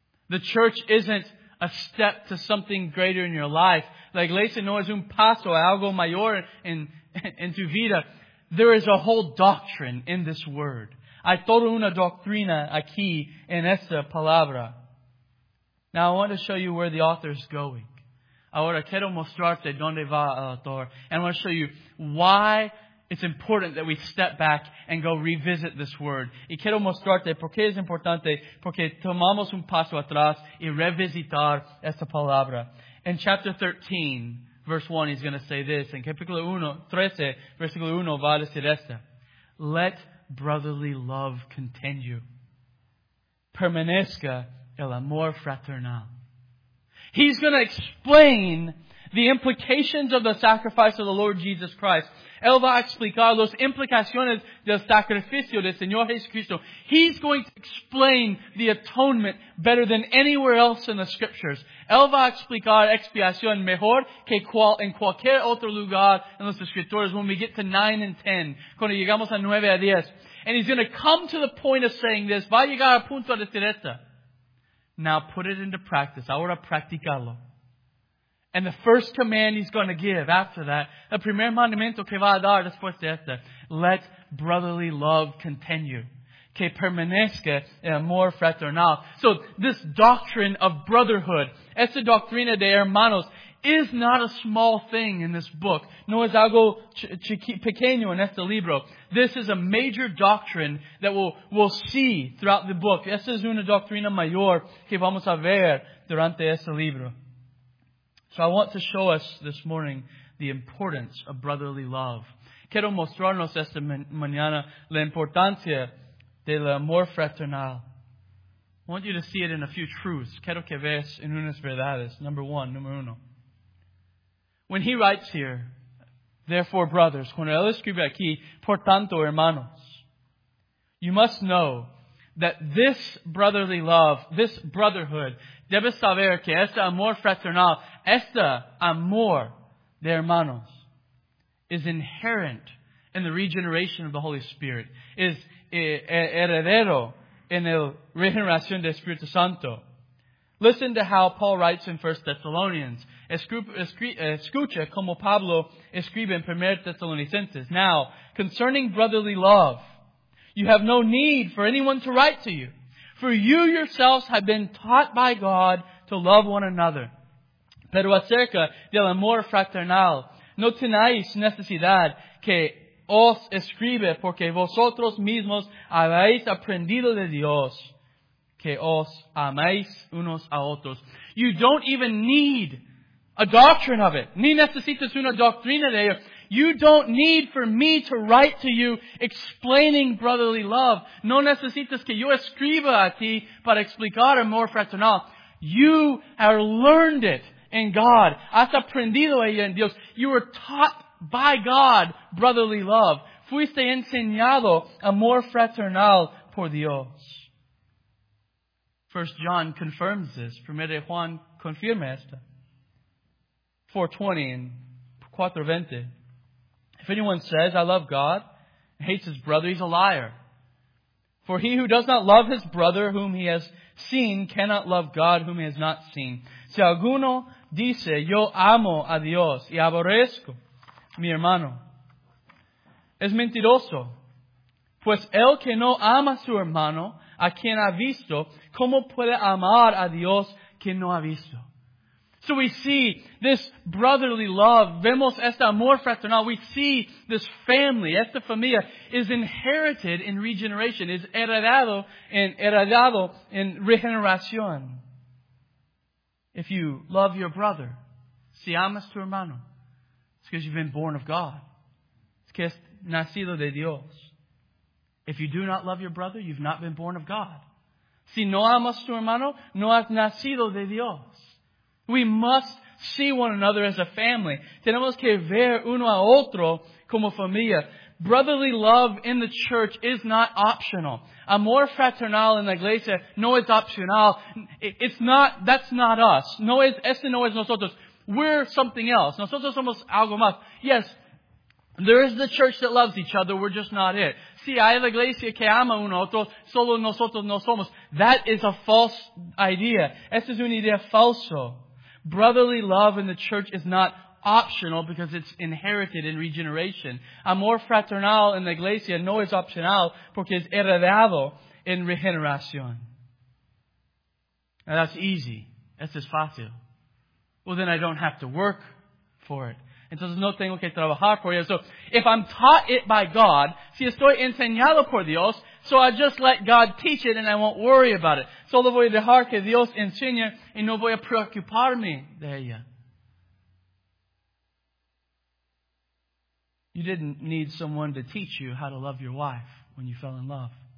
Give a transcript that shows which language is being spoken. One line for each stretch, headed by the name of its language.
English: The church isn't a step to something greater in your life.
Spanish: La iglesia no es un paso a algo mayor en tu vida.
English: There is a whole doctrine in this word.
Spanish: Hay toda una doctrina aquí en esta palabra.
English: Now I want to show you where the author is going.
Spanish: Ahora quiero mostrarte dónde va el autor.
English: And I want to show you why it's important that we step back and go revisit this word.
Spanish: Y quiero mostrarte por qué es importante, porque tomamos un paso atrás y revisitar esta palabra.
English: In chapter 13, verse 1, he's going to say this.
Spanish: In capítulo 13, versículo 1, va a decir esta.
English: Let brotherly love continue.
Spanish: Permanezca el amor fraternal.
English: He's going to explain the implications of the sacrifice of the Lord Jesus Christ.
Spanish: Él va a explicar las implicaciones del sacrificio del Señor Jesucristo.
English: He's going to explain the atonement better than anywhere else in the Scriptures.
Spanish: Él va a explicar expiación mejor que en cualquier otro lugar en las Escrituras
English: when we get to 9 and 10,
Spanish: cuando llegamos a 9 a 10.
English: And he's going to come to the point of saying this.
Spanish: Va a llegar a punto de decir esto.
English: Now put it into practice.
Spanish: Ahora practicalo.
English: And the first command he's going to give after that,
Spanish: el primer mandamiento que va a dar después de esta,
English: let brotherly love continue.
Spanish: Que permanezca el amor fraternal.
English: So this doctrine of brotherhood,
Spanish: esta doctrina de hermanos,
English: is not a small thing in this book.
Spanish: No es algo pequeño en este libro.
English: This is a major doctrine that we'll see throughout the book.
Spanish: Esta es una doctrina mayor que vamos a ver durante este libro.
English: So I want to show us this morning the importance of brotherly love.
Spanish: Quiero mostrarnos esta mañana la importancia del amor fraternal.
English: I want you to see it in a few truths.
Spanish: Quiero que veas en unas verdades.
English: Number one,
Spanish: número uno.
English: When he writes here, therefore, brothers,
Spanish: cuando él escribe aquí, por tanto, hermanos,
English: you must know that this brotherly love, this brotherhood,
Spanish: debes saber que este amor fraternal, este amor de hermanos,
English: is inherent in the regeneration of the Holy Spirit,
Spanish: is heredero en el regeneración del Espíritu Santo.
English: Listen to how Paul writes in 1 Thessalonians.
Spanish: Escucha como Pablo escribe en 1 Thessalonicenses.
English: Now, concerning brotherly love, you have no need for anyone to write to you. For you yourselves have been taught by God to love one another.
Spanish: Pero acerca del amor fraternal, no tenéis necesidad que os escribe, porque vosotros mismos habéis aprendido de Dios que os amáis unos a otros.
English: You don't even need a doctrine of it.
Spanish: Ni necesitas una doctrina de ello.
English: You don't need for me to write to you explaining brotherly love.
Spanish: No necesitas que yo escriba a ti para explicar amor fraternal.
English: You have learned it en God.
Spanish: Has aprendido ella en Dios.
English: You were taught by God brotherly love.
Spanish: Fuiste enseñado amor fraternal por Dios.
English: 1 John confirms this.
Spanish: 1 Juan confirma esto.
English: 4:20 and 4:20. If anyone says, I love God, and hates his brother, he's a liar. For he who does not love his brother whom he has seen cannot love God whom he has not seen.
Spanish: Si alguno dice, yo amo a Dios y aborrezco mi hermano, es mentiroso. Pues el que no ama a su hermano, a quien ha visto, ¿cómo puede amar a Dios que no ha visto?
English: So we see this brotherly love.
Spanish: Vemos este amor fraternal.
English: We see this family,
Spanish: esta familia,
English: is inherited in regeneration.
Spanish: Is heredado en regeneración.
English: If you love your brother,
Spanish: si amas tu hermano,
English: it's because you've been born of God. It's
Spanish: que es nacido de Dios.
English: If you do not love your brother, you've not been born of God.
Spanish: Si no amas tu hermano, no has nacido de Dios.
English: We must see one another as a family.
Spanish: Tenemos que ver uno a otro como familia.
English: Brotherly love in the church is not optional.
Spanish: Amor fraternal en la iglesia no es opcional.
English: It's not, that's not us.
Spanish: No es, ese no es nosotros.
English: We're something else.
Spanish: Nosotros somos algo más.
English: Yes, there is the church that loves each other. We're just not it.
Spanish: Si hay la iglesia que ama uno a otro, solo nosotros no somos.
English: That is a false idea.
Spanish: Esa es una idea falsa.
English: Brotherly love in the church is not optional because it's inherited in regeneration.
Spanish: Amor fraternal en la iglesia no es opcional porque es heredado en regeneración.
English: Now that's easy.
Spanish: Eso es fácil.
English: Well, then I don't have to work for it.
Spanish: Entonces no tengo que trabajar por ello.
English: So if I'm taught it by God,
Spanish: si estoy enseñado por Dios,
English: so I just let God teach it and I won't worry about it.
Spanish: Solo voy a dejar que Dios enseñe y no voy a preocuparme de ella.
English: You didn't need someone to teach you how to love your wife when you fell in love.